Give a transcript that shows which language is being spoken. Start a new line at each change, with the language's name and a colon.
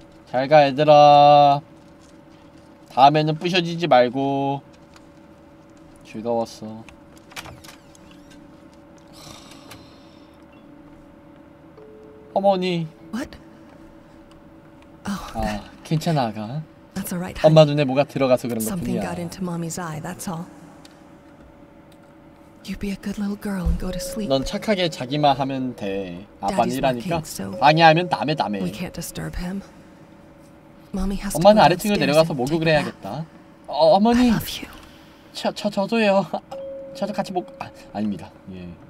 Korean: 잘가 얘들아. 다음에는 부셔지지 말고 즐거웠어. 어머니.
English: What?
Korean: Oh, 아, 괜찮아, 아가.
English: That's all right.
Korean: 엄마 눈에 뭐가 들어가서 그런 것뿐이야.
English: Something got into mommy's eye. That's all. You be a good little girl and go to sleep.
Korean: 넌 착하게 자기만 하면 돼. 아빠는 일하니까 방해하면 남해.
English: We can't disturb him.
Korean: 엄마는 아래층으로 내려가서 목욕을 해야겠다. 어, 어머니. 저도요. 저도 같이 목 아, 아닙니다. 예.